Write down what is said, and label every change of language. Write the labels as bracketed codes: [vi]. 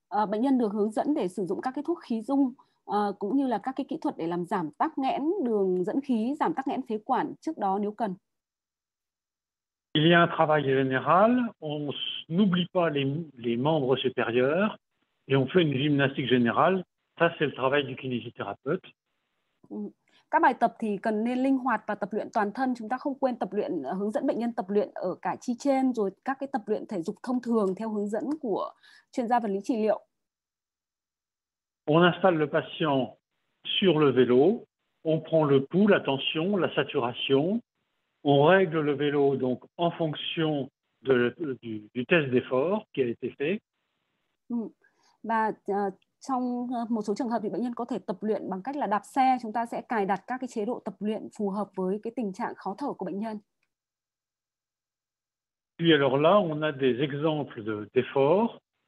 [vi] Bệnh nhân được hướng dẫn để sử dụng các cái thuốc khí dung cũng như là các cái kỹ thuật để làm giảm tắc nghẽn đường dẫn khí, giảm tắc nghẽn phế quản trước đó nếu cần. [fr] Il y a un travail général, on n'oublie pas les membres supérieurs et on fait une gymnastique générale. Ça, c'est le travail du kinésithérapeute. [vi] Các bài tập thì cần nên linh hoạt và tập luyện toàn thân. Chúng ta không quên tập luyện, hướng dẫn bệnh nhân tập luyện ở cả chi trên rồi các cái tập luyện thể dục thông thường theo hướng dẫn của chuyên gia vật lý trị liệu. [fr] On installe le patient sur le vélo, on prend le pouls, la tension, la saturation. On règle le vélo donc en fonction de, du test d'effort qui a été fait. [vi] Và trong một số trường hợp thì bệnh nhân có thể tập luyện bằng cách là đạp xe, chúng ta sẽ cài đặt các cái chế độ tập luyện phù hợp với cái tình trạng khó thở của bệnh nhân. [fr] Puis alors là, on a des exemples de, d'efforts.